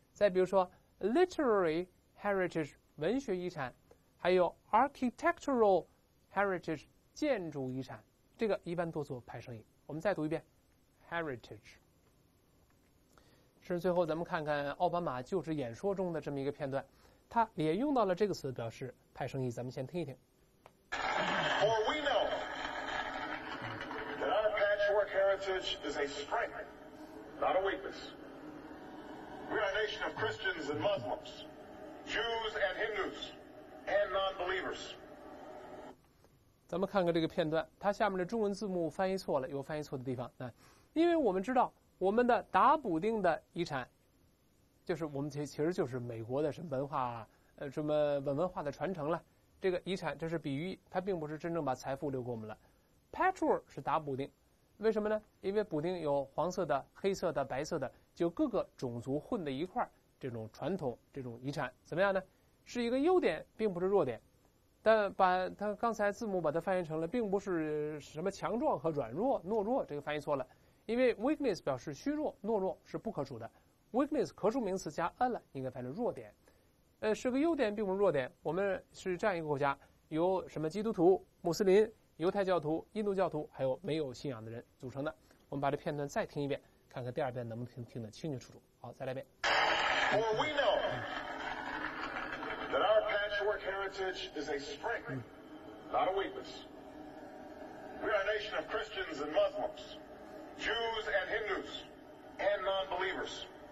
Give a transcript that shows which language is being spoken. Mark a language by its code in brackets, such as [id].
[zh] 再比如说 [en] literary heritage， [zh] 文学遗产；还有 [en] architectural heritage， [zh] 建筑遗产。这个一般都做派生意。我们再读一遍 ，heritage。是最后咱们看看奥巴马就职演说中的这么一个片段，他也用到了这个词表示派生意，咱们先听一听。 [en] For we know that our patchwork heritage is a strength, not a weakness. We are a nation of Christians and Muslims, Jews and Hindus, and non-believers. [zh] 咱们看看这个片段，他下面的中文字幕翻译错了，有翻译错的地方。因为我们知道我们的达卜丁的遗产，就是我们其实就是美国的什么文化，什么文化的传承了。这个遗产这是比喻，它并不是真正把财富留给我们了。 Patchwork 是达卜丁，为什么呢？因为卜丁有黄色的、黑色的、白色的，就各个种族混在一块儿，这种传统、这种遗产怎么样呢？是一个优点，并不是弱点。但把它刚才字母把它翻译成了，并不是什么强壮和软弱、懦弱，这个翻译错了。因为 weakness 表示虚弱，懦弱是不可数的。weakness 可数名词加 n 了，应该翻成弱点，是个优点并不是弱点。我们是这样一个国家，由什么基督徒、穆斯林、犹太教徒、印度教徒还有没有信仰的人组成的。我们把这片段再听一遍，看看第二遍能不能听得清清楚楚。好，再来一遍。 [en] For we know patchwork heritage is a strength, not a weakness. We are a nation of Christians and Muslims, Jews and Hindus, and non-believers.